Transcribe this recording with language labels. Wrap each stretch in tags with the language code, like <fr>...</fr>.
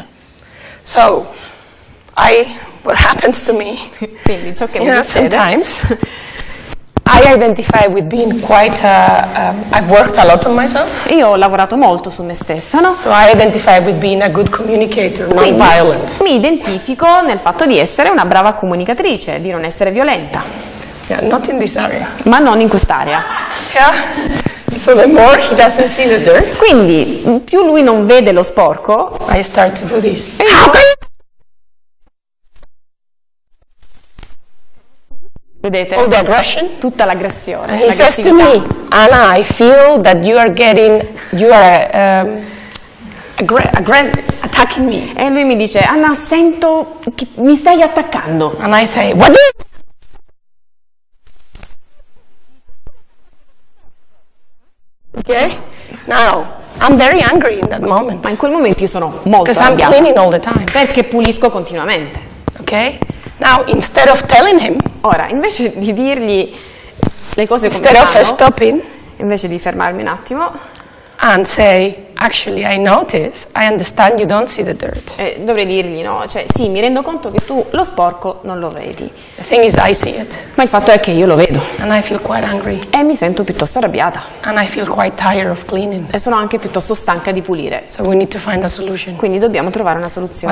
<en>Yeah. So I what happens to me?</en> <it>Quindi ciò che mi succede.</it> <en>Sometimes. I identify with being quite I've worked a lot on myself.</en> <it>Io ho lavorato molto su me stessa, no?</it> <en>So I identify with being a good communicator, non violent.</en> <it>Mi identifico nel fatto di essere una brava comunicatrice, di non essere violenta.</it> <en>Yeah, not in this area.</en> <it>Ma non in quest'area.</it> <en>Yeah. So the more he doesn't see the dirt.</en> <it>Quindi, più lui non vede lo sporco,</it> <en>I start to do this.</en> <it>Vedete?</it> <en>All the aggression.</en> <it>Tutta l'aggressione.</it> <en>He says to me, Anna, I feel that you are getting, you are attacking me.</en> <it>E lui mi dice, Anna, sento che mi stai attaccando.</it> <en>And I say, what do you? Okay. Now, I'm very angry in that moment.</en> <it>Ma in quel momento io sono molto arrabbiata.</it> <en>Because I'm cleaning all the time.</en> <it>Perché pulisco continuamente.</it> <en>Okay. Now, instead of telling him,</en> <it>ora, invece di dirgli le cose come stanno,</it> <en>instead of stopping,</en> <it>invece di fermarmi un attimo,</it> <en>and say, actually, I notice, I understand you don't see the dirt.</en> <it>Dovrei dirgli, no, cioè, sì, mi rendo conto che tu lo sporco non lo vedi.</it> <en>The thing is, I see it.</en> <it>Ma il fatto è che io lo vedo.</it> <en>And I feel quite angry.</en> <it>E mi sento piuttosto arrabbiata.</it> <en>And I feel quite tired of cleaning.</en> <it>E sono anche piuttosto stanca di pulire.</it> <en>So we need to find a solution.</en> <it>Quindi dobbiamo trovare una soluzione.</it>